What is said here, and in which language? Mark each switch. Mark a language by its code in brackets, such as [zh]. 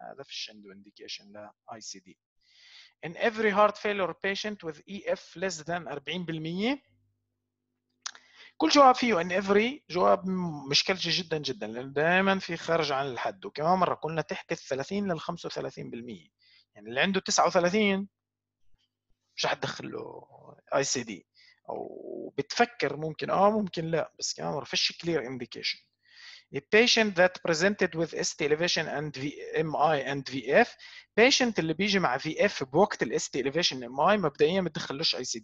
[ar] هذا فيش عنده indication ل ICD. In every heart failure patient with EF less than 40% كل جواب فيه إن إفري جواب مشكلة جدا جدا لأن دائما في خارج عن الحد. وكمان مرة قلنا تحت 30 لل 35%، يعني اللي عنده 39 مش هتدخل له ICD أو بتفكر ممكن ممكن لا، بس كمان مرة فيش clear indication. [en] A patient that presented with ST elevation and MI and VF. [ar] Patient اللي بيجي مع VF بوقت ال ST elevation MI مبدئيا ما تدخلوش ICD.